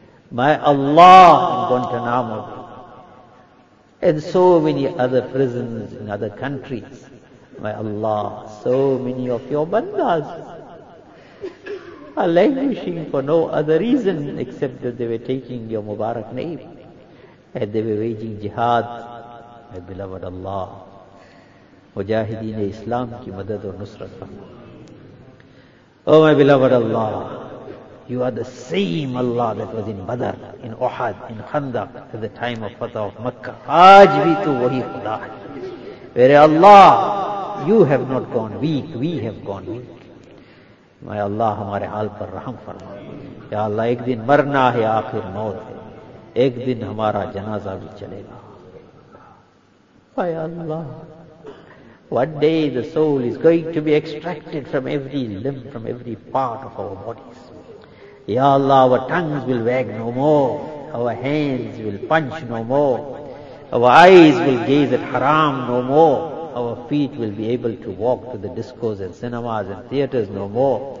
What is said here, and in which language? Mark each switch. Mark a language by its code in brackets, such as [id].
[en] My Allah, in Guantanamo, and so many other prisons in other countries. My Allah, so many of your bandas are languishing for no other reason except that they were taking your Mubarak name and they were waging jihad. My beloved Allah, [ur] مجاہدین اسلام کی مدد اور نصرت فرما. [en] Oh my beloved Allah, you are the same Allah that was in Badr, in Uhud, in Khandaq, at the time of فتح of Makkah. [ur] آج بھی تو وہی خدا ہے. میرے اللہ، [en] You have not gone weak, we have gone weak. My Allah, [ur] ہمارے حال پر رحم فرما. یا اللہ، ایک دن مرنا ہے، آخر موت ہے، ایک دن ہمارا جنازہ بھی چلے گا. [en] My Allah, one day the soul is going to be extracted from every limb, from every part of our bodies. Ya Allah, our tongues will wag no more, our hands will punch no more, our eyes will gaze at haram no more, our feet will be able to walk to the discos and cinemas and theaters no more.